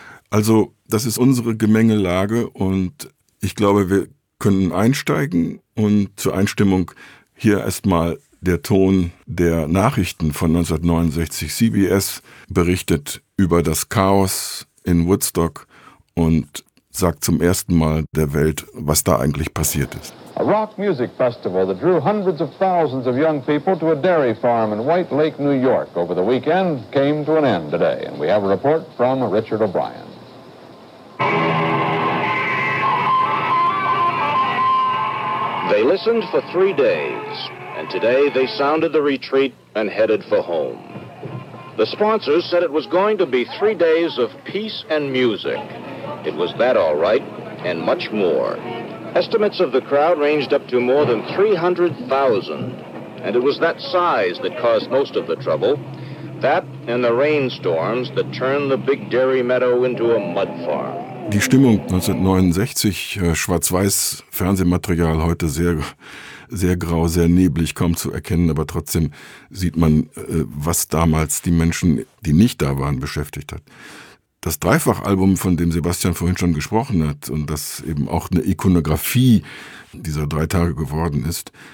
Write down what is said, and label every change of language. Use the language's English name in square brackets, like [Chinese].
[German] Also das ist unsere Gemengelage und ich glaube, wir können einsteigen. Und zur Einstimmung hier erstmal der Ton der Nachrichten von 1969. CBS berichtet über das Chaos in Woodstock und sagt zum ersten Mal der Welt, was da eigentlich passiert ist. [English] A rock music festival that drew hundreds of thousands of young people to a dairy farm in White Lake, New York over the weekend came to an end today. And we have a report from Richard O'Brien. They listened for 3 days, and today they sounded the retreat and headed for home. The sponsors said it was going to be 3 days of peace and music. It was that all right, and much more. Estimates of the crowd ranged up to more than 300,000, and it was that size that caused most of the trouble. That and the rainstorms that turned the big dairy meadow into a mud farm. [German] Die Stimmung 1969, schwarz-weiß Fernsehmaterial, heute sehr, sehr grau, sehr neblig, kaum zu erkennen, aber trotzdem sieht man, was damals die Menschen, die nicht da waren, beschäftigt hat. Das Dreifachalbum, von dem Sebastian vorhin schon gesprochen hat und das eben auch eine Ikonografie dieser 3 Tage geworden ist.